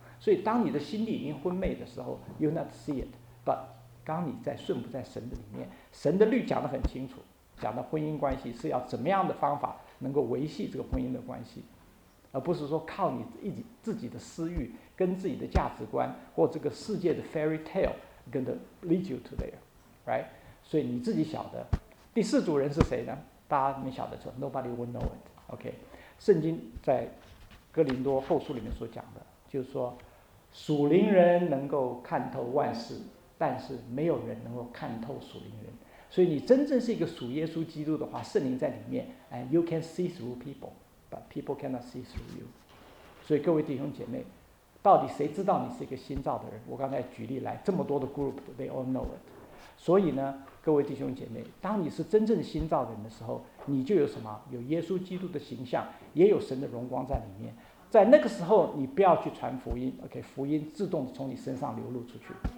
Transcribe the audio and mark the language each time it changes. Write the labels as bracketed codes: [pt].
[zh] 所以当你的心里已经昏昧的时候， [en] You'll not see it， [zh] but当你在顺服在神的里面，神的律讲得很清楚，讲的婚姻关系是要怎么样的方法能够维系这个婚姻的关系，而不是说靠你自己的私欲跟自己的价值观或这个世界的 [en] fairy tale going to lead you to there， right？ [zh] 所以你自己晓得。第四组人是谁呢？大家你晓得说 [en] nobody will know it。 [zh] OK， 圣经在哥林多后书里面所讲的就是说，属灵人能够看透万事，但是没有人能够看透属灵人。所以你真正是一个属耶稣基督的话，圣灵在里面， [en] And you can see through people， but people cannot see through you。 [zh] 所以各位弟兄姐妹，到底谁知道你是一个新造的人？我刚才举例来这么多的 group， [en] They all know it。 [zh] 所以呢各位弟兄姐妹，当你是真正新造的人的时候，你就有什么？有耶稣基督的形象，也有神的荣光在里面。在那个时候你不要去传福音， OK， 福音自动从你身上流露出去。